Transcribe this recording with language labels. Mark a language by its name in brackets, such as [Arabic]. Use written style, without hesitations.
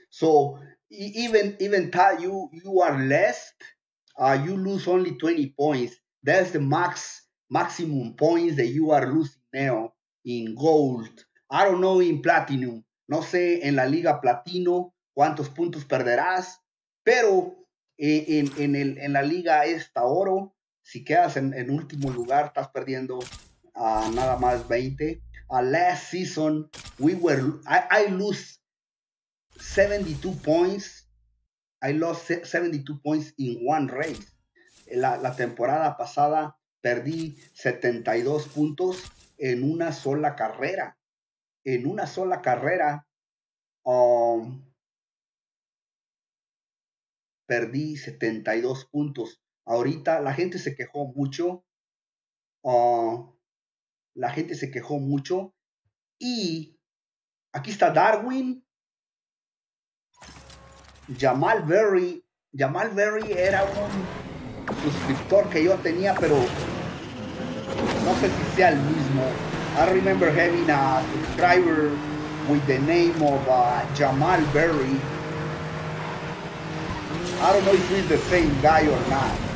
[English] So even though you are less, you lose only 20 points. That's the maximum points that you are losing now in gold. I don't know in platinum. [Spanish] No sé en la liga platino cuántos puntos perderás, pero en la liga esta oro, si quedas en último lugar, estás perdiendo nada más 20. [English] Last season, I lose 72 points. I lost 72 points in one race. [Spanish] La temporada pasada perdí 72 puntos en una sola carrera. En una sola carrera, perdí 72 puntos. Ahorita la gente se quejó mucho. La gente se quejó mucho. Y aquí está Darwin. Jamal Berry era un suscriptor que yo tenía, pero no sé si sea el mismo. [English] I remember having a subscriber with the name of Jamal Berry. I don't know if he's the same guy or not.